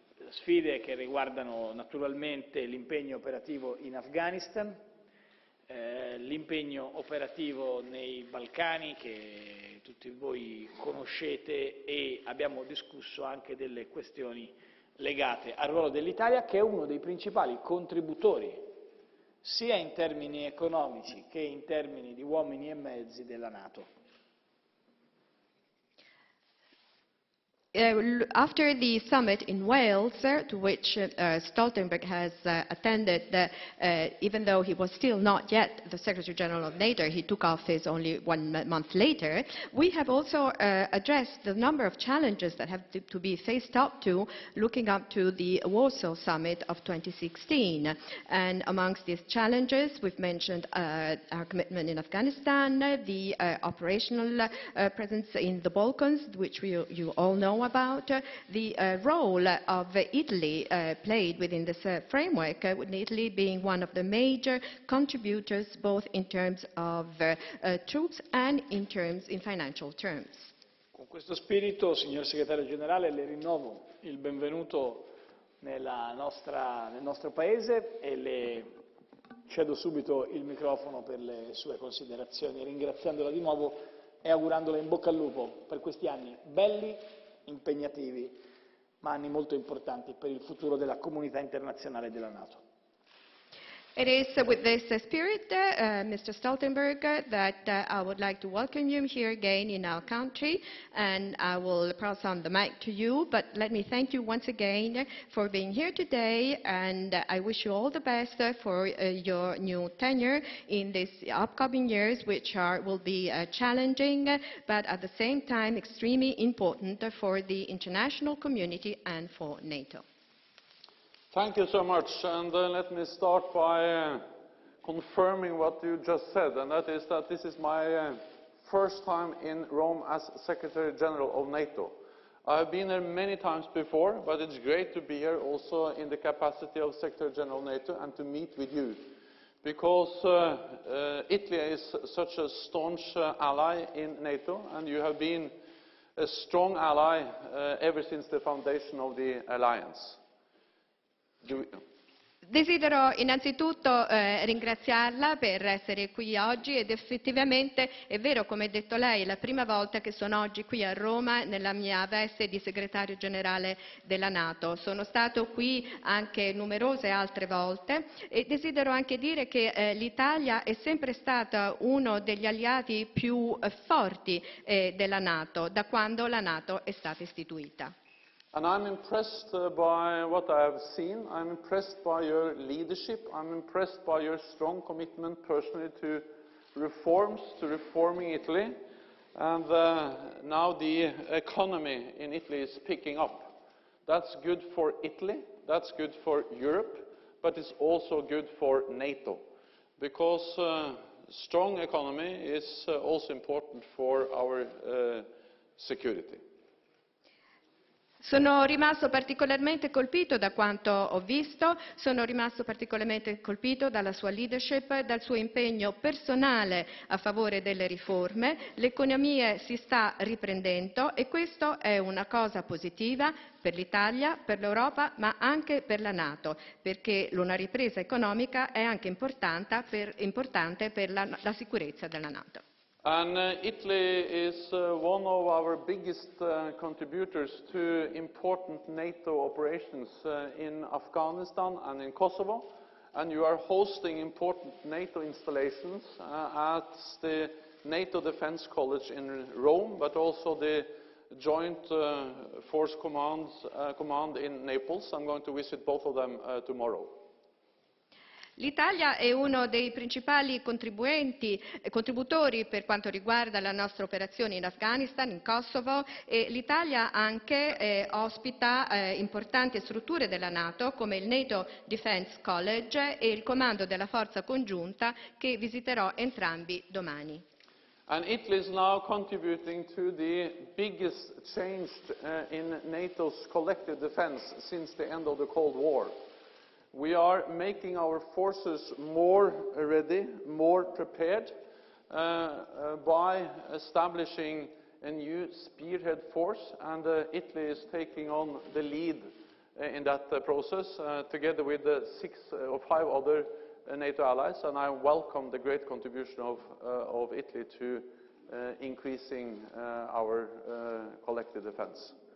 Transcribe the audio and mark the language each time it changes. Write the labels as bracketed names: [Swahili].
[Italian] Sfide che riguardano naturalmente l'impegno operativo in Afghanistan, l'impegno operativo nei Balcani che tutti voi conoscete e abbiamo discusso anche delle questioni legate al ruolo dell'Italia che è uno dei principali contributori sia in termini economici che in termini di uomini e mezzi della NATO. [English] After the summit in Wales, to which Stoltenberg has attended, even though he was still not yet the Secretary General of NATO, he took office only 1 month later, we have also addressed the number of challenges that have to be faced up to, looking up to the Warsaw Summit of 2016. And amongst these challenges, we've mentioned our commitment in Afghanistan, the operational presence in the Balkans, which you all know about, the role of Italy played within this framework, with Italy being one of the major contributors both in terms of troops and in terms in financial terms. [Italian] Con questo spirito, signor segretario generale, le rinnovo il benvenuto nel nostro paese e le cedo subito il microfono per le sue considerazioni, ringraziandola di nuovo e augurandole in bocca al lupo per questi anni belli, impegnativi, ma anni molto importanti per il futuro della comunità internazionale della NATO. [English] It is with this spirit, Mr. Stoltenberg, that I would like to welcome you here again in our country, and I will pass on the mic to you, but let me thank you once again for being here today, and I wish you all the best for your new tenure in these upcoming years, which will be challenging, but at the same time extremely important for the international community and for NATO. Thank you so much, and let me start by confirming what you just said, and that is that this is my first time in Rome as Secretary General of NATO. I've been there many times before, but it's great to be here also in the capacity of Secretary General of NATO and to meet with you, because Italy is such a staunch ally in NATO, and you have been a strong ally ever since the foundation of the alliance. [Italian] Desidero innanzitutto ringraziarla per essere qui oggi ed effettivamente è vero, come ha detto lei, è la prima volta che sono oggi qui a Roma nella mia veste di segretario generale della NATO. Sono stato qui anche numerose altre volte e desidero anche dire che l'Italia è sempre stata uno degli alleati più forti della NATO da quando la NATO è stata istituita. [English] And I'm impressed by what I have seen. I'm impressed by your leadership. I'm impressed by your strong commitment personally to reforms, to reforming Italy. And now the economy in Italy is picking up. That's good for Italy. That's good for Europe. But it's also good for NATO. Because a strong economy is also important for our security. [Italian] Sono rimasto particolarmente colpito da quanto ho visto, sono rimasto particolarmente colpito dalla sua leadership, dal suo impegno personale a favore delle riforme. L'economia si sta riprendendo e questo è una cosa positiva per l'Italia, per l'Europa, ma anche per la NATO, perché una ripresa economica è anche importante per la sicurezza della NATO. [English] And Italy is one of our biggest contributors to important NATO operations in Afghanistan and in Kosovo. And you are hosting important NATO installations at the NATO Defense College in Rome, but also the Joint Force Command in Naples. I'm going to visit both of them tomorrow. [Italian] L'Italia è uno dei principali contributori per quanto riguarda la nostra operazione in Afghanistan, in Kosovo, e l'Italia anche ospita importanti strutture della NATO come il NATO Defense College e il Comando della Forza Congiunta, che visiterò entrambi domani. [English] And Italy is now contributing to the biggest change in NATO's collective defense since the end of the Cold War. We are making our forces more ready, more prepared, by establishing a new spearhead force, and Italy is taking on the lead in that process, together with six or five other NATO allies, and I welcome the great contribution of Italy to increasing our collective defense.